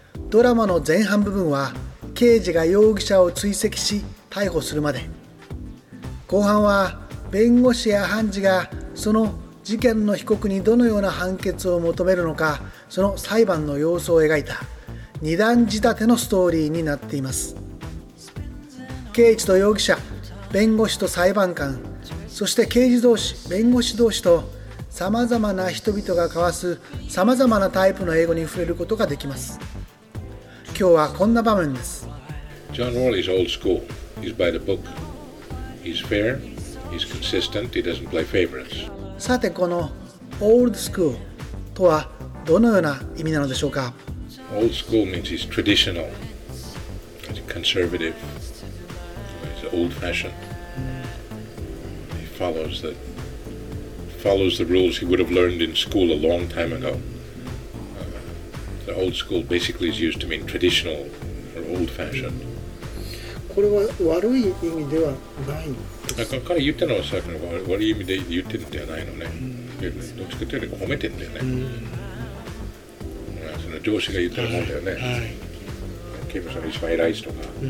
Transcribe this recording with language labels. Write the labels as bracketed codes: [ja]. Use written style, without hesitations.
[ja] ドラマの前半部分は刑事が容疑者を追跡し逮捕するまで、後半は弁護士や判事がその事件の被告にどのような判決を求めるのか、その裁判の様子を描いた二段仕立てのストーリーになっています。刑事と容疑者、弁護士と裁判官、そして刑事同士、弁護士同士と様々な人々が交わす様々なタイプの英語に触れることができます。今日はこんな場面です。 [en] John Rawley is old school. He's by the book. He's fair. He's consistent. He doesn't play favorites. [ja] さてこの old school とはどのような意味なのでしょうか。 [en] Old school means he's traditional. He's conservative. He's old fashioned. He follows thefollows the rules he would have learned in school a long time ago. The old school basically is used to mean traditional or old-fashioned. [ja] これは悪い意味ではないんです。彼言ったのはさっきの悪い意味で言ってるんではないのね。どっちかというより褒めてるんだよね。その上司が言ってるもんだよね。ケイムさんの一番偉い人とか。